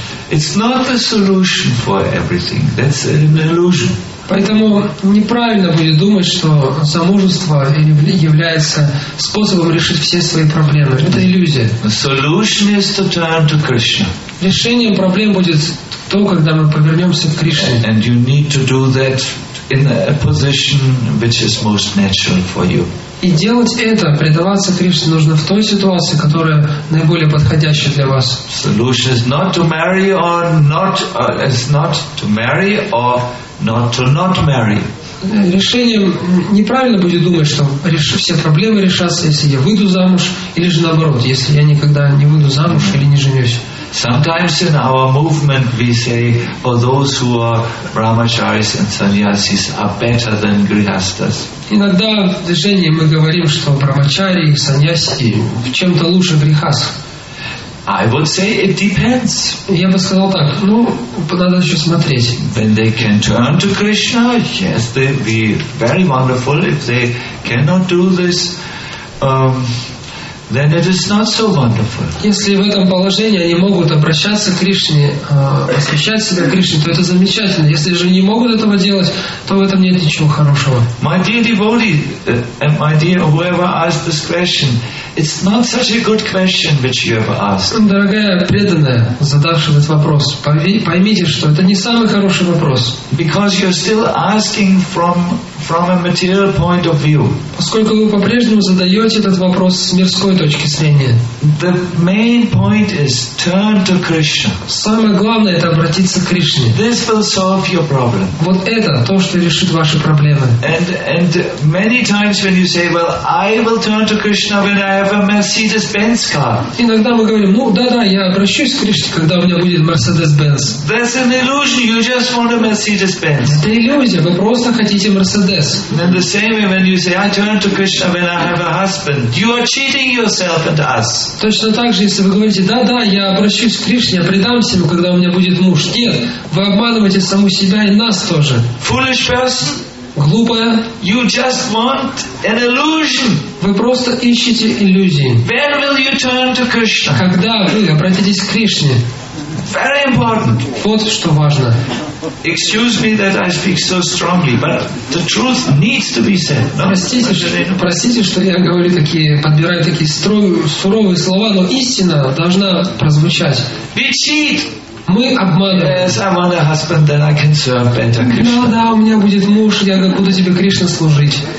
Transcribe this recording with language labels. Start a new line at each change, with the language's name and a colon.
English: It's not the solution for everything. That's an illusion.
Russian: Поэтому неправильно будет думать, что замужество является способом решить все свои проблемы. Это иллюзия.
English: The solution is to turn to Krishna.
Russian: Решением проблем будет то, когда мы повернемся к Кришне.
English: And you need to do that in a position which is most natural for you.
Russian: И делать это, предаваться Кришне, нужно в той ситуации, которая наиболее подходящая для вас.
English: Solution is not to marry or not, is not to marry or not to not marry.
Russian: Решением неправильно будет думать, что все проблемы решатся, если я выйду замуж, или же наоборот, если я никогда не выйду замуж или не женюсь.
English: Sometimes in our movement we say, oh, those who are brahmacharis and sannyasis are better than grihastas.
Russian: Иногда в движении мы говорим, что брахмачари и саньяси в чем-то лучше грихас.
English: I would say it depends.
Russian: Я бы сказал так, надо еще смотреть.
English: When they can turn to Krishna, yes, they'd be very wonderful. If they cannot do this, then it is not so wonderful.
Russian: Если в этом положении они могут обращаться к Кришне, посвящать себя Кришне, то это замечательно. Если же не могут этого делать, то в этом нет ничего хорошего.
English: My dear devotee, my dear whoever asked this question, it's not such a good question which you have asked.
Russian: Дорогая преданная, задавшая этот вопрос, поймите, что это не самый хороший вопрос.
English: Because you're still asking from a material point of view.
Russian: Поскольку вы по-прежнему задаете этот вопрос с мирской точки зрения.
English: The main point is turn to Krishna.
Russian: Самое главное это обратиться к Кришне.
English: This will solve your problem.
Russian: Вот это то, что решит ваши проблемы.
English: And many times when you say, well, I will turn to Krishna when I have a Mercedes-Benz car.
Russian: Иногда мы говорим, я обращусь к Кришне, когда у меня будет Mercedes-Benz.
English: That's an illusion. You just want a Mercedes-Benz.
Russian: Это иллюзия. Вы просто хотите Mercedes.
English: Then the same way when you say I turn to Krishna when I have a husband, you are cheating yourself and us.
Russian: Точно так же, если вы говорите, я обращусь к Кришне, я предамся ему, когда у меня будет муж. Нет, вы обманываете саму себя и нас тоже.
English: Foolish person.
Russian: Глупая.
English: You just want an illusion.
Russian: Вы просто ищете иллюзии.
English: When will you turn to Krishna?
Russian: Когда вы обратитесь к Кришне?
English: Very important.
Russian: Вот что важно.
English: Excuse me that I speak so strongly, but the truth needs to be said.
Russian: Простите, что я говорю такие, подбираю такие суровые слова, но истина должна прозвучать.
English: We cheat.
Russian: Мы обманываем.
English: Yes, I want a husband, then I can serve better Krishna.
Russian: Да, у меня будет муж, я буду тебе Кришна служить.